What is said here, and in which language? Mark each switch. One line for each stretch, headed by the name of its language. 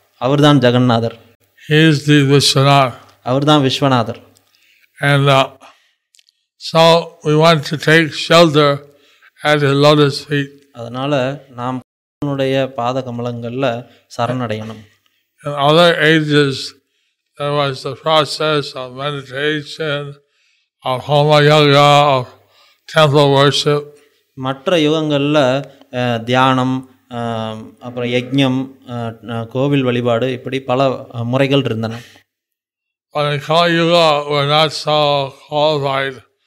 Tamil: அவர் தான் ஜெகநாதர். விஸ்வநாத், அவர் தான் Viswanathar.
English: So we want to take shelter at his lotus feet.
Tamil: அதனால நாம் அவருடைய பாத கமலங்கள்ல சரணடையணும்.
English: In other ages there was the process of meditation, of homa yaga, of temple worship.
Tamil: மற்ற யுகங்கள்ல தியானம், அப்புறம் யக்ஞம், கோவில் வழிபாடு, இப்படி பல முறைகள் இருந்தன.
English: But in Kali Yuga we're not so qualified.